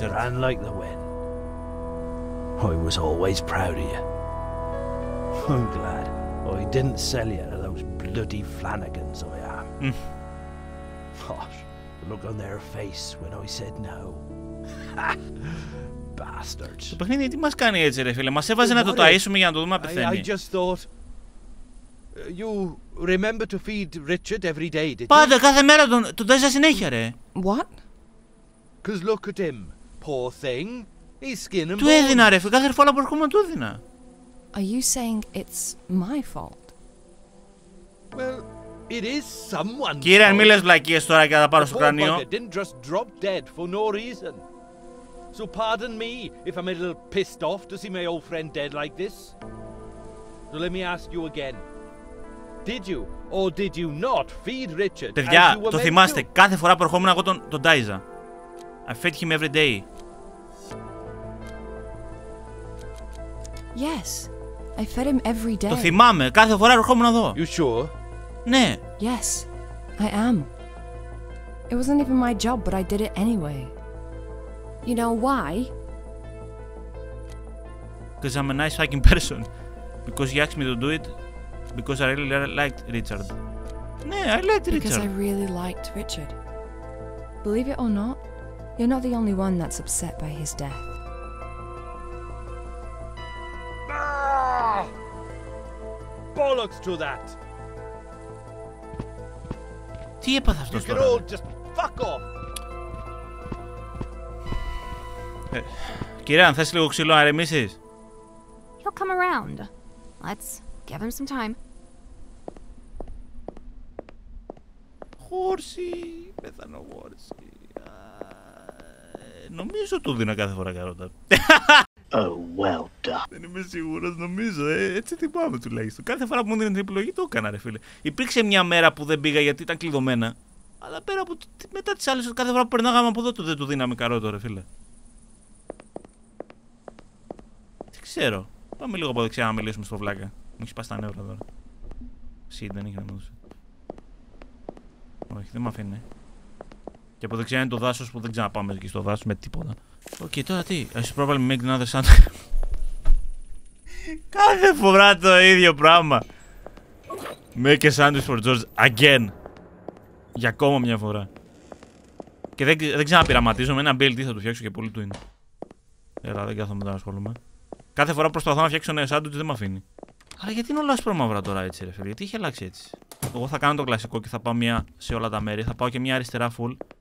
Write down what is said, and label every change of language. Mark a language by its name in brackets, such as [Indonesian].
[English] Ran like the wind. I was always proud of you. I'm glad I didn't sell you to those bloody Flanagans I am. Gosh, the look on their face when I said no. Bastards. [Greek] Το παιχνίδι τι μας κάνει έτσι ρε φίλε, μας έβαζε να το ταΐσουμε για να το δούμε απεθαίνει. [English] I just thought... You remember to feed Richard every day, didn't you? [Greek] Πάντα, κάθε μέρα τον ταΐζα συνέχεια ρε. [English] What? Cause look at him, poor thing. His skin and [Greek] του έδινα ρε φίλε, κάθε φορά που έρχομαι του έδινα. [English] Are you saying it's my fault? Well, it is someone's fault. [Greek] Κύριε, μη λες βλακίες τώρα και θα πάρω στο κρανίο. [English] Didn't just drop dead for no reason. So pardon me if I'm a little pissed off to see my old friend dead like this. So let me ask you again. Did you or did you not feed Richard? [Greek] Παιδιά, το θυμάστε, κάθε φορά που ερχόμουν εγώ τον τάιζα. [English] I fed him every day. Yes, I fed him every day. [Greek] Το θυμάμαι, κάθε φορά ερχόμουν εδώ. [English] You sure? [Greek] Ναι. [English] Yes, I am. It wasn't even my job, but I did it anyway. You know why? Because I'm a nice fucking person. Because he asked me to do it. Because I really liked Richard. Nah, I liked because Richard. Because I really liked Richard. Believe it or not, you're not the only one that's upset by his death. Ah! Bollocks to that! [Greek] Τι έπαθες τώρα? [English] You can all just fuck off! [Greek] Κύριε, αν θες λίγο ξύλο να ρεμίσεις. [English] He'll come around. Let's give him some time. [Greek] Χόρση, πέθανε ο Χόρση. Νομίζω του δίνω κάθε φορά καρότα. [English] Oh, well done. [Greek] Δεν είμαι σίγουρος, νομίζω. Έτσι θυμάμαι τουλάχιστον. Κάθε φορά που μου δίνει την επιλογή το έκανα, ρε φίλε. Υπήρξε μια μέρα που δεν πήγα γιατί ήταν κλειδωμένα. Αλλά πέρα από μετά τις άλλες, κάθε φορά που περνάγαμε από εδώ, δεν του δίναμε καρότα, ρε φίλε. Ξέρω. Πάμε λίγο από δεξιά να μιλήσουμε στο βλάκα. Μου έχει πάει στα νεύρα τώρα. Συ, δεν είχε να μου δώσει. Όχι, δεν με αφήνει. Και από δεξιά είναι το δάσος που δεν ξαναπάμε εκεί στο δάσος με τίποτα. Οκ, okay, τώρα τι. [English] I should probably make another sound. [Greek] Κάθε φορά το ίδιο πράγμα. [English] Make a sandwich for George again. [Greek] Για ακόμα μια φορά. Και δεν ξαναπειραματίζομαι. Ένα BLT θα του φτιάξω και πολύ του είναι. Έλα, δεν κάθομαι να ασχολούμαι. Κάθε φορά προσπαθώ να φτιάξω ένα σάντουιτς δεν με αφήνει. Αλλά γιατί είναι όλο άσπρο μαύρα τώρα έτσι ρε φίλε, γιατί έχει αλλάξει έτσι. Εγώ θα κάνω το κλασικό και θα πάω μια σε όλα τα μέρη. Θα πάω και μια αριστερά full.